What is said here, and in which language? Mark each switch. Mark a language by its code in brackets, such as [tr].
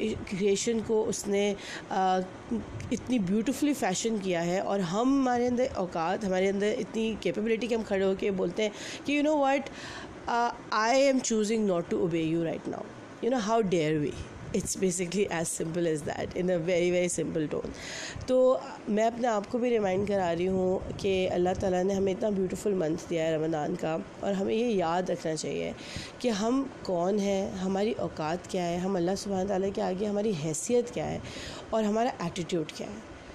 [ur] Creation کو اس نے اتنی بیوٹیفلی فیشن کیا ہے, اور ہم ہمارے اندر اوقات ہمارے اندر اتنی کیپیبلٹی کہ ہم کھڑے ہو کے بولتے ہیں کہ [en] You know what I am choosing not to obey you right now, you know how dare we. It's basically as simple as that in a very very simple tone. [ur] تو میں اپنے آپ کو بھی ریمائنڈ کرا رہی ہوں کہ اللہ تعالیٰ نے ہمیں اتنا بیوٹیفل منتھ دیا ہے رمضان کا, اور ہمیں یہ یاد رکھنا چاہیے کہ ہم کون ہیں, ہماری اوقات کیا ہے, ہم اللہ سبحانہ تعالیٰ کے آگے ہماری حیثیت کیا ہے, اور ہمارا ایٹیٹیوڈ کیا ہے.